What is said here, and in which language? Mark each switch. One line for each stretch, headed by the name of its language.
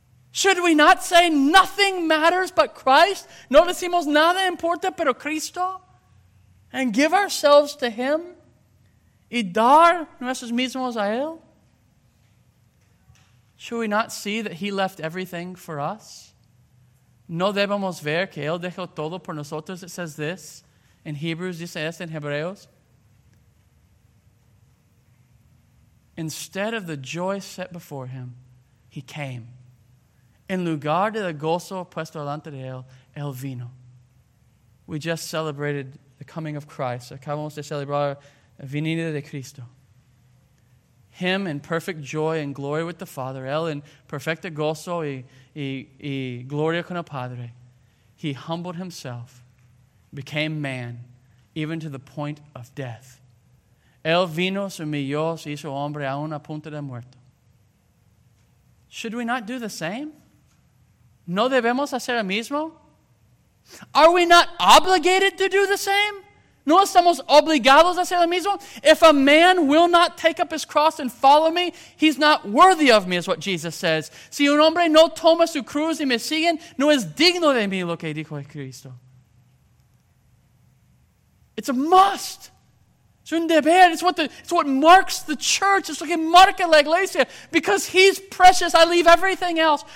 English: Should we not say nothing matters but Christ?
Spanish: ¿No decimos nada importa pero Cristo?
English: And give ourselves to him?
Spanish: ¿Y dar nuestros mismos a él?
English: Should we not see that he left everything for us?
Spanish: No debemos ver que Él dejó todo por nosotros.
English: It says this in Hebrews,
Spanish: dice esto en Hebreos.
English: Instead of the joy set before Him, He came.
Spanish: En lugar de el gozo puesto delante de Él, Él vino.
English: We just celebrated the coming of Christ.
Spanish: Acabamos de celebrar la venida de Cristo.
English: Him in perfect joy and glory with the Father.
Spanish: Él en perfecto gozo y gloria con el Padre.
English: He humbled Himself, became man, even to the point of death.
Spanish: Él vino, se humilló, se hizo hombre a una punta de muerto.
English: Should we not do the same?
Spanish: ¿No debemos hacer el mismo?
English: Are we not obligated to do the same?
Spanish: ¿No estamos obligados a hacer lo mismo?
English: If a man will not take up his cross and follow me, he's not worthy of me, is what Jesus says.
Spanish: Si un hombre no toma su cruz y me sigue, no es digno de mí, lo que dijo Cristo.
English: It's a must.
Spanish: Es un deber.
English: It's what marks the church. It's
Spanish: lo que marca la iglesia.
English: Because he's precious, I leave everything else.